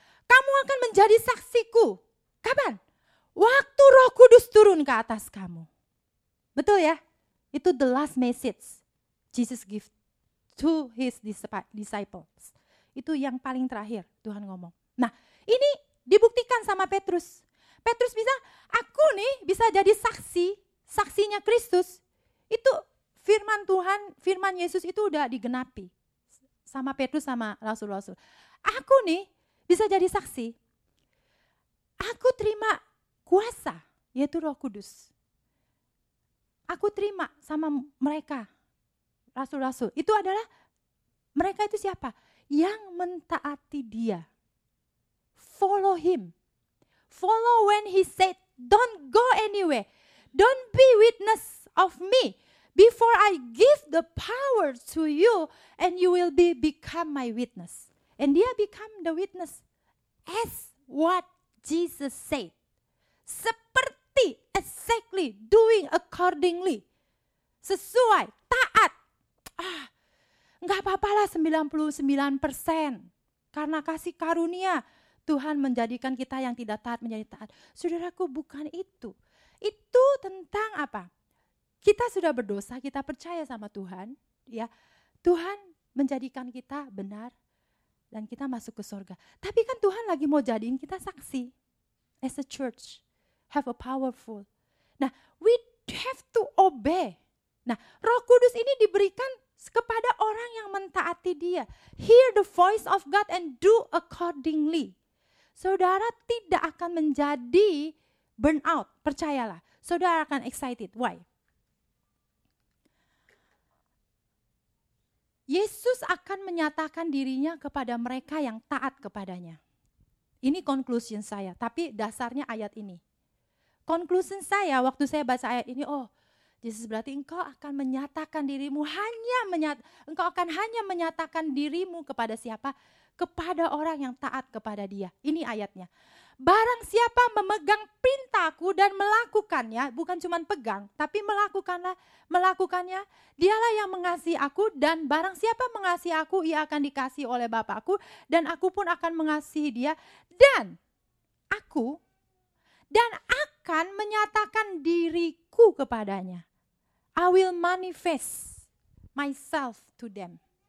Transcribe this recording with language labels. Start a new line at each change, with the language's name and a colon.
Indonesian: Kamu akan menjadi saksiku. Kapan? Waktu Roh Kudus turun ke atas kamu. Betul ya?
English: Itu the last message Jesus give to his disciples.
Indonesian: Itu yang paling terakhir Tuhan ngomong. Nah, ini dibuktikan sama Petrus. Petrus bisa, aku nih bisa jadi saksi, saksinya Kristus. Itu firman Tuhan, firman Yesus itu udah digenapi sama Petrus sama rasul-rasul. Aku nih bisa jadi saksi. Aku terima kuasa, yaitu Roh Kudus. Aku terima sama mereka, rasul-rasul. Itu adalah, mereka itu siapa? Yang mentaati Dia.
English: Follow Him. Follow when He said, don't go anywhere. Don't be witness of me before I give the power to you and you will be become my witness. And
Indonesian: dia
English: become the witness as what Jesus said.
Indonesian: Seperti,
English: exactly, doing accordingly.
Indonesian: Sesuai, taat. Ah, gak apa-apalah 99%. Karena kasih karunia, Tuhan menjadikan kita yang tidak taat menjadi taat. Saudaraku, bukan itu. Itu tentang apa? Kita sudah berdosa, kita percaya sama Tuhan. Ya. Tuhan menjadikan kita benar dan kita masuk ke surga. Tapi kan Tuhan lagi mau jadiin kita saksi.
English: As a church, have a powerful. Nah, we have to obey.
Indonesian: Nah, Roh Kudus ini diberikan kepada orang yang mentaati dia.
English: Hear the voice of God and do accordingly.
Indonesian: Saudara tidak akan menjadi burnout, percayalah. Saudara akan excited. Why? Yesus akan menyatakan dirinya kepada mereka yang taat kepadanya. Ini conclusion saya, tapi dasarnya ayat ini. Conclusion saya waktu saya baca ayat ini, oh, Yesus berarti engkau akan menyatakan dirimu, engkau akan hanya menyatakan dirimu kepada siapa? Kepada orang yang taat kepada dia. Ini ayatnya. Barang siapa memegang perintahku dan melakukannya, bukan cuma pegang, tapi melakukannya, dialah yang mengasihi aku, dan barang siapa mengasihi aku, ia akan dikasihi oleh Bapa-Ku, dan aku pun akan mengasihi dia, dan akan menyatakan diriku kepadanya.
English: I will manifest myself to them.